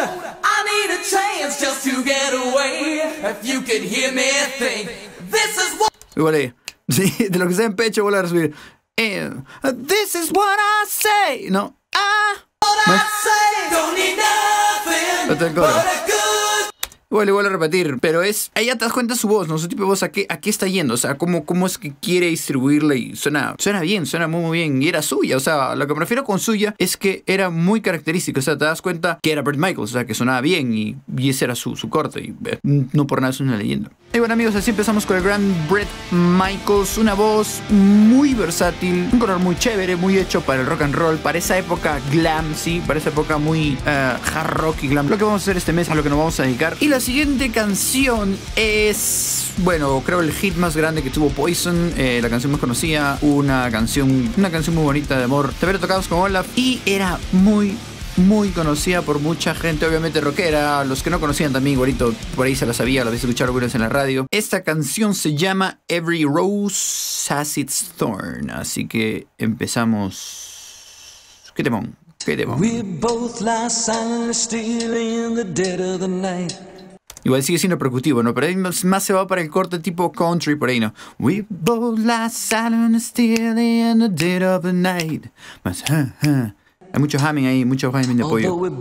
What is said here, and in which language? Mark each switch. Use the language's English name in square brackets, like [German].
[English] I need a chance just to get away. If you could hear me think. This is what. [Spanish] Igual ahí. Sí, de lo que sea en pecho, vuelve a recibir. [English] This is what I say. No. What I say, don't need nothing, but a good... [Spanish] Bueno, vuelvo a repetir, pero es... Ahí ya te das cuenta su voz, ¿no? Su tipo de voz, ¿a qué está yendo? O sea, ¿cómo es que quiere distribuirla? Y suena bien, suena muy, muy bien. Y era suya, o sea, lo que me refiero con suya es que era muy característico. O sea, te das cuenta que era Bret Michaels, o sea, que sonaba bien. Y ese era su corte, y no por nada es una leyenda. Y bueno, amigos, así empezamos con el gran Bret Michaels. Una voz muy versátil, un color muy chévere, muy hecho para el rock and roll, para esa época glam, sí, para esa época muy hard rock y glam. Lo que vamos a hacer este mes, a lo que nos vamos a dedicar. Y la siguiente canción es, bueno, creo el hit más grande que tuvo Poison, la canción más conocida, una canción muy bonita de amor. Te veré tocados con Olaf y era muy, muy conocida por mucha gente, obviamente rockera. Los que no conocían también, igualito, por ahí se la sabía, la habéis escuchado algunas en la radio. Esta canción se llama Every Rose Has Its Thorn. Así que empezamos. ¡Qué temón! ¡Qué temón! [English] We both lie silently still in the dead of the night. [Spanish] Igual sigue siendo percutivo, ¿no? Pero ahí más se va para el corte tipo country, por ahí, ¿no? [English] We both lie silent and still in the dead of the night. [Spanish] Más, hay mucho humming de apoyo.